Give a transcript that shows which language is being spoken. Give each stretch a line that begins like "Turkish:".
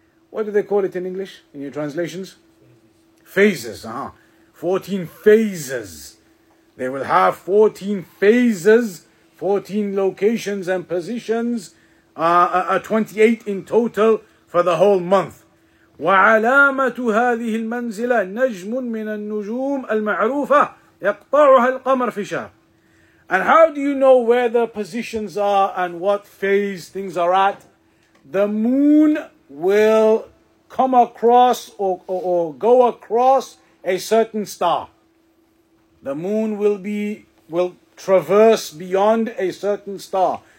English: What do they call it in English, in your translations? Phases. 14 phases. They will have 14 phases, 14 locations and positions, 28 in total for the whole month.
Arabic: وعلامة هذه المنزلة نجم من النجوم المعروفة يقطعها القمر في شهر.
English: And how do you know where the positions are and what phase things are at? The moon will come across or go across a certain star. The moon will traverse beyond a certain star.